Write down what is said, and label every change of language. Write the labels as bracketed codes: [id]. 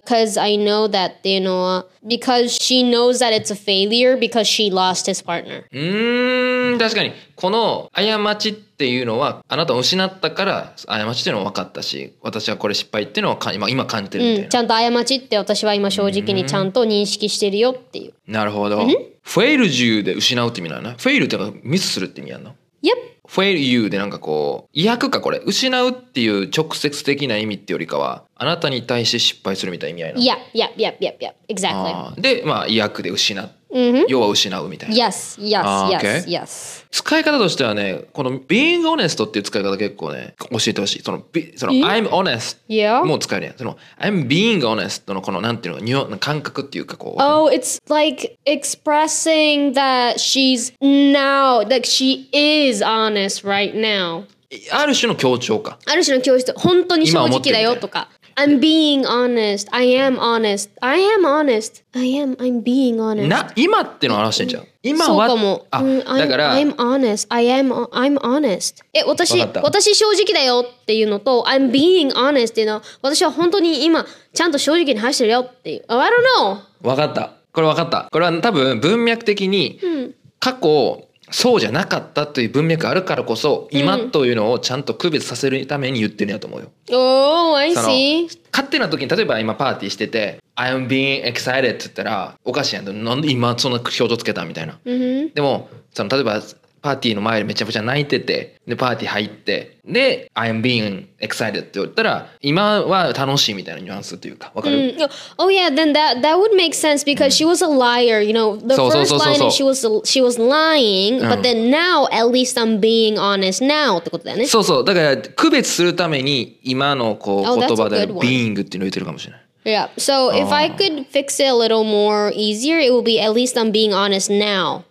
[en] Cause I know that [ja] っていうのは [en] because she knows that it's a failure because she lost his partner. [ja] うーん、確かにこの過ちっていうのはあなたを失ったから過ちっていうのは分かったし、私はこれ失敗っていうのは今感じてるみたいな、うん、ちゃんと過ちって私は今正直にちゃんと認識してるよっていう。なるほど。 [en] failed you [ja] で失うって意味なの？fail ってのはミスするって意味なの？ [en] Yep. [ja] Fail you でなんかこう威迫か、これ失うっていう直接的な意味ってよりかはあなたに対して失敗するみたいな意味合いな。 [en] Yeah, yeah, yeah, yeah, yeah, exactly. [ja] でまあ威迫で失う、要は失うみたいな。 [en] Yes, yes, yes, yes. [ja] 使い方としてはね、この [en] being honest [ja] っていう使い方結構ね教えてほしい。その [en] I'm honest [ja] も使えるやん。その [en] I'm being honest [ja] のこのなんていうの、感覚っていうかこう。 [en] Oh, it's like expressing that she's now, like she is honest right now. [ja] ある種の強調か。ある種の強調、本当に正直だよとか。 [en] I'm being honest. I am honest. I am honest. I am. I'm being honest. [ja] な、今っての話してんじゃん。今は、そうかも。あ、だから。 [en] I'm honest. I am. I'm honest. [ja] え、私正直だよっていうのと、 [en] I'm being honest [ja] っていうのは、私は本当に今ちゃんと正直に話してるよっていう。 [en] Oh, I don't know. [ja] わかった。これわかった。これは多分文脈的に過去を。そうじゃなかったという文脈があるからこそ、今というのをちゃんと区別させるために言ってるんやと思うよ。おー、 [en] I see。 [ja] 勝手な時に、例えば今パーティーしてて、 [en] I'm being excited [ja] って言ったら、おかしいやん。なんで今そんな表情つけたみたいな。うん、でも、その例えばパーティーの前でめちゃくちゃ泣いてて、で、パーティー入って、で、 [en] I'm being excited [ja] って言ったら、今は楽しいみたいなニュアンスというか、わかる、うん、 [en] Oh yeah, then that would make sense because she was a liar, you know. The first line is she was lying, but then now, at least I'm being honest now [ja] ってことだよね。そうそう、だから区別するために今のこう言葉で being っていうのを言ってるかもしれない。 [en] Yeah, so if I could fix it a little more easier, it would be at least I'm being honest now.